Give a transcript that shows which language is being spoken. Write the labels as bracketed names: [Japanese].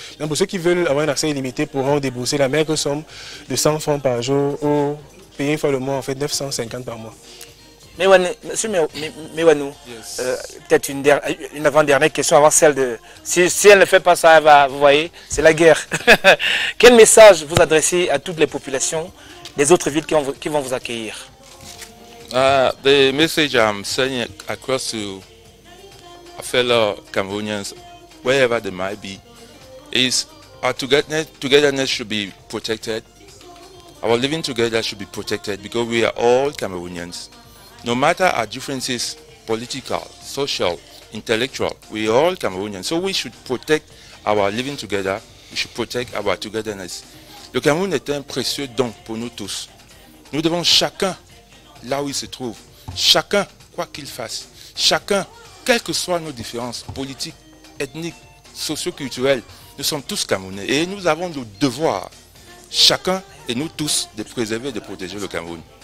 [French] Maintenant, pour ceux qui veulent un accès illimité pourront débourser la maigre somme de 100 francs par jour ou payer une fois le mois, en fait 950 par mois. Mais Wanou, peut-être une avant-dernière question avant celle de... Si elle ne fait pas ça, elle va, vous voyez, c'est la guerre. Quel message vous adressez à toutes les populations des autres villes qui vont vous accueillir? [English] The message I'm sending across to fellow Cameroonians, wherever they might be, is our togetherness should be protected. Our living together should be protected because we are all Cameroonians. No matter our differences, political, social, intellectual, we are all Cameroonians. So we should protect our living together. We should protect our togetherness. [French] Le Cameroun est un précieux don pour nous tous. Nous devons chacun, là où il se trouve, chacun, quoi qu'il fasse, chacun, quelles que soient nos différences politiques, ethniques, socioculturelles, nous sommes tous Camerounais. Et nous avons le devoir, chacun et nous tous, de préserver et de protéger le Cameroun.